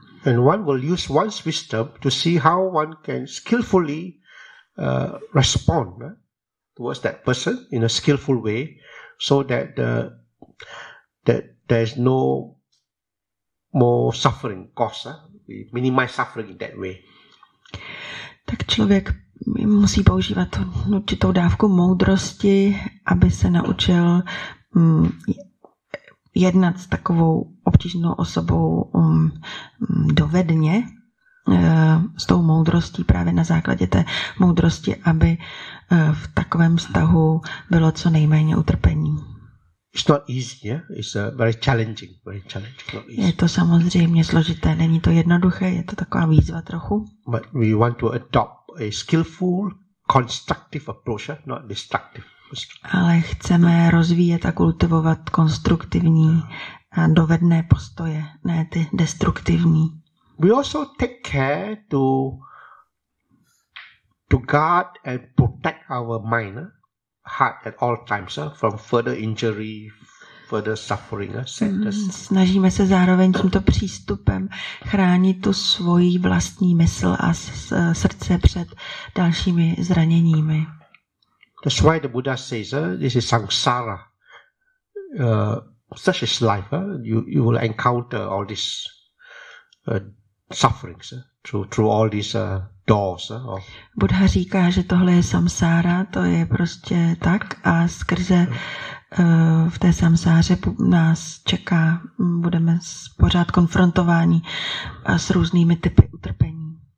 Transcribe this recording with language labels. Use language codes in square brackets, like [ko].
[en] And one will use one's wisdom to see how one can skillfully respond towards that person in a skillful way so that there's no more suffering costs. We minimize suffering in that way. [cs] Tak člověk musí používat určitou dávku moudrosti, aby se naučil jednat s takovou obtížnou osobou dovedně, s tou moudrostí, právě na základě té moudrosti, aby v takovém vztahu bylo co nejméně utrpení. [en] It's not easy, yeah? It's very challenging, not easy. [cs] Je to samozřejmě složité, není to jednoduché, je to taková výzva trochu. [en] But we want to adopt a skillful, constructive approach, not destructive. [cs] Ale chceme rozvíjet a kultivovat konstruktivní a dovedné postoje, ne ty destruktivní. [en] We also take care to guard and protect our mind, heart at all times, from further injury, further suffering, sadness. [cs] Snažíme se zároveň tímto přístupem chránit tu svoji vlastní mysl a srdce před dalšími zraněními. [en] That's why the Buddha says, this is samsara. Such is life. You will encounter all this sufferings through all these doors. [cs] Buddha říká, že tohle je samsára, to je prostě tak, a skrze v té samsáře nás čeká, budeme pořád konfrontováni s různými typy utrpení.